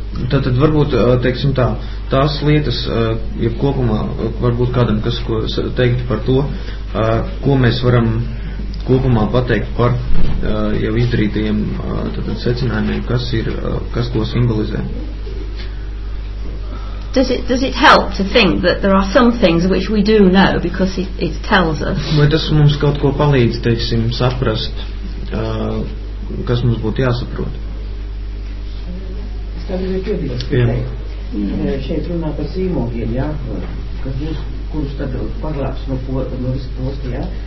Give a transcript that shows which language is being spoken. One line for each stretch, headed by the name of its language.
Latvian: Tātad varbūt, teiksim tā, tās lietas, ja kopumā, varbūt kādam, kas ko teikt par to, ko mēs varam kopumā pateikt par jau izdarītajiem tātad secinājumiem, kas ir, kas ko simbolizē.
English: Does it help to think that there are some things which we do know because it tells us?
Latvian: Vai tas mums kaut ko palīdz, teiksim, saprast, kas mums būtu jāsaprot? Šeit runā par sīmogiem, jā, kas būs, kurus tad paglāps no visu posti, jā.